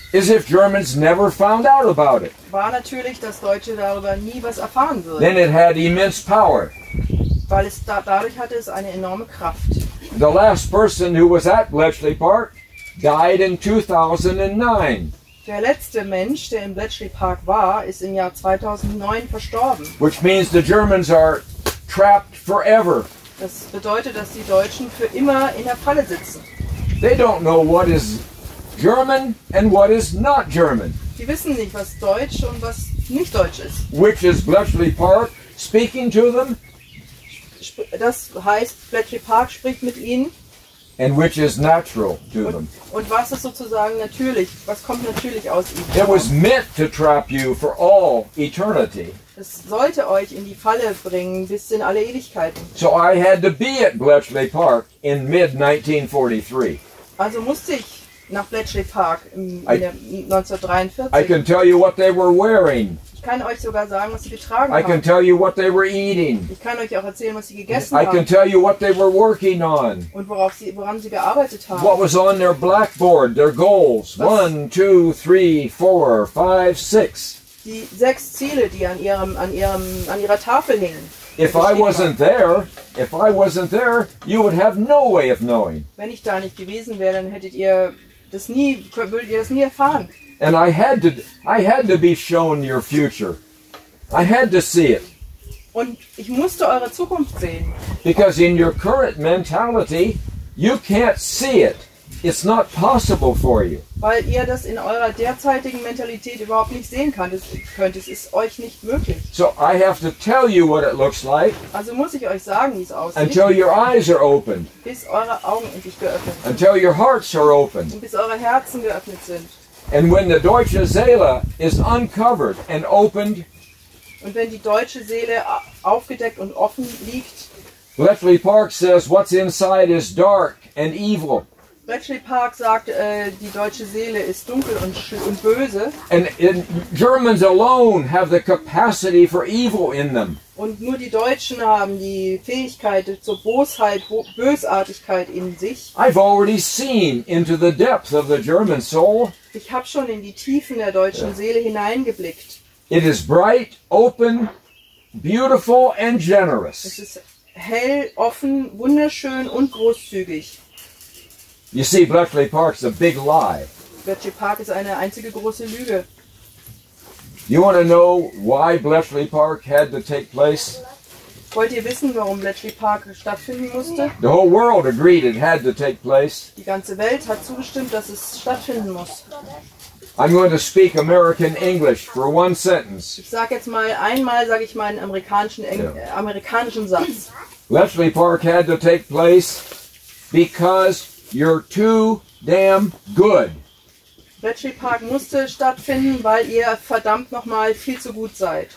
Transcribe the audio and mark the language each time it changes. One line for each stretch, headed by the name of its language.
English: is if Germans never found out about it.
German: War natürlich, dass Deutsche darüber nie was erfahren würden.
English: Then it had immense power.
German: Weil es dadurch hatte es eine enorme Kraft.
English: The last person who was at Bletchley Park died in 2009.
German: Der letzte Mensch, der in Bletchley Park war, ist im Jahr 2009 verstorben.
English: Which means the Germans are trapped forever.
German: Das bedeutet, dass die Deutschen für immer in der Falle sitzen.
English: They don't know what is German and what is not German.
German: Die wissen nicht, was Deutsch und was nicht Deutsch ist.
English: Which is Bletchley Park speaking to them?
German: Das heißt, Bletchley Park spricht mit ihnen.
English: And which is natural to them.
German: Und was ist sozusagen natürlich? Was kommt natürlich aus ihnen?
English: It was meant to trap you for all eternity.
German: Es sollte euch in die Falle bringen bis in alle Ewigkeiten.
English: So I had to be at Bletchley Park in mid-1943.
German: Also musste ich nach Bletchley Park in 1943.
English: I can tell you what they were wearing.
German: Ich kann euch sogar sagen, was sie getragen haben.
English: I can tell you what they were eating.
German: Ich kann euch auch erzählen, was sie gegessen haben.
English: I can tell you what they were working on.
German: Und woran sie gearbeitet haben.
English: What was on their blackboard, their goals. 1, 2, 3, 4, 5, 6.
German: die sechs Ziele, die an ihrem, an ihrem, an ihrer Tafel hingen.
English: If I wasn't there, if I wasn't there, you would have no way of knowing.
German: Wenn ich da nicht gewesen wäre, dann hättet ihr das nie, würdet ihr das nie erfahren.
English: And I had to be shown your future. I had to see it.
German: Und ich musste eure Zukunft sehen.
English: Because in your current mentality, you can't see it. It's not possible for you.
German: Weil ihr das in eurer derzeitigen Mentalität überhaupt nicht sehen könnt. Es ist euch nicht möglich.
English: So I have to tell you what it looks like.
German: Also muss ich euch sagen, wie es aussieht.
English: Until your eyes are opened.
German: Bis eure Augen endlich geöffnet sind.
English: Until your hearts are opened.
German: Und bis eure Herzen geöffnet sind.
English: And when the
German: deutsche Seele
English: is uncovered and opened.
German: Und wenn die deutsche Seele aufgedeckt und offen liegt.
English: Bletchley Park says, what's inside is dark and evil.
German: Bletchley Park sagt, die deutsche Seele ist dunkel und böse.
English: And in Germans alone have the capacity for evil in them.
German: Und nur die Deutschen haben die Fähigkeit zur Bosheit, Bösartigkeit in sich.
English: I've already seen into the depth of the German soul.
German: Ich habe schon in die Tiefen der deutschen Seele hineingeblickt.
English: It is bright, open, beautiful and generous.
German: Es ist hell, offen, wunderschön und großzügig.
English: You see, Bletchley Park's a big lie.
German: Bletchley Park ist eine einzige große Lüge.
English: You want to know why Bletchley Park had to take place?
German: Wollt ihr wissen, warum Bletchley Park stattfinden musste?
English: The whole world agreed it had to take place.
German: Die ganze Welt hat zugestimmt, dass es stattfinden muss.
English: I'm going to speak American English for one sentence.
German: Ich sag jetzt mal einmal, sage ich meinen amerikanischen amerikanischen Satz.
English: Bletchley Park had to take place because you're too damn good.
German: Bletchley Park musste stattfinden, weil ihr verdammt nochmal viel zu gut seid.